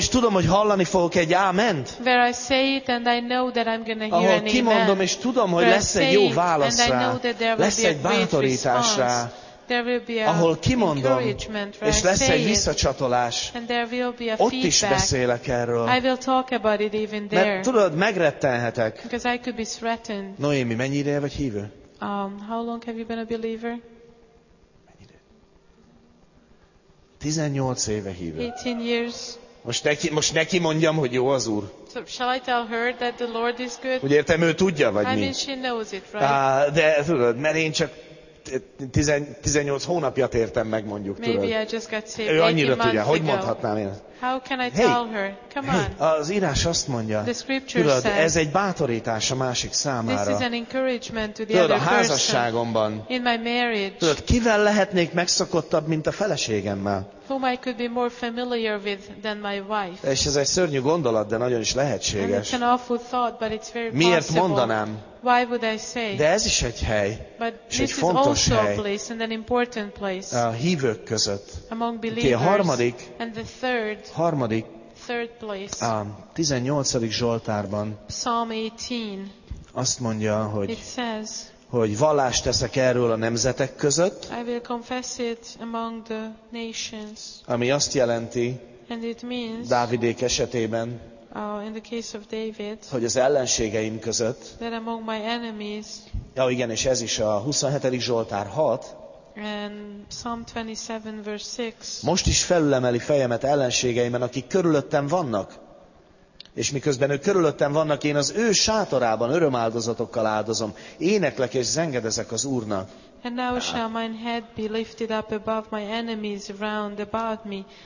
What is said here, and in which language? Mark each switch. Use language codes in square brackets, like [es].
[hu] És tudom, hogy hallani fogok egy áment. [en] Where I say it and I know that I'm going to hear an amen. [hu] Ahol kimondom, és tudom, hogy lesz egy jó válasz rá, lesz egy bátorítás rá. Ahol kimondom, és lesz egy visszacsatolás, ott is beszélek erről. Mert tudod, megrettenhetek. Noémi, mennyi ideje vagy hívő? [en] How long have you been a believer? [hu] 18 éve hívő. [en] 18 years. [hu] Most neki mondjam, hogy jó az Úr. [en] So shall I tell her that the Lord is good? [hu] Úgy értem, ő tudja, vagy mi? [en] I mean, she knows it, right? [hu] De tudod, mert én csak 18 hónapja értem meg, mondjuk, tudod. [en] Maybe I just got saved. [hu] Ő annyira tudja, hogy mondhatnám én. [en] How can I tell her? Come on. [hu] Az írás azt mondja, tudod, ez egy bátorítás a másik számára. [en] This is an encouragement to the [hu] tudod, [en] other [hu] a házasságomban. [en] In my marriage. [hu] Tudod, kivel lehetnék megszokottabb, mint a feleségemmel? [en] Whom I could be more familiar with than my wife. [hu] És ez egy szörnyű gondolat, de nagyon is lehetséges. [en] And it's an awful thought, but it's very possible. [hu] Miért mondanám? [en] Why would I say? [hu] De ez is egy hely, [en] but [hu] és egy fontos hely. [en] A place and an important place. [hu] A hívők között. [en] Among believers. [hu] Okay, a harmadik. [en] And the third. [hu] Harmadik. [en] Third place. [hu] A 18. Zsoltárban. [en] Psalm 18. [hu] Azt mondja, hogy. [en] It says. [hu] Hogy vallást teszek erről a nemzetek között. [en] I will confess it among the nations. [hu] Ami azt jelenti. [en] And it means. [hu] Dávidék esetében. [en] In the case of David, [hu] hogy az ellenségeim között. [en] That among my enemies. [hu] Ja, igen, és ez is a 27. Zsoltár 6. [en] And Psalm 27, verse 6. [hu] Most is felülemeli fejemet ellenségeimen, akik körülöttem vannak. És miközben ők körülöttem vannak, én az ő sátorában örömáldozatokkal áldozom. Éneklek és zengedezek az Úrnak. [en] And now shall mine head be lifted up above my enemies round about me.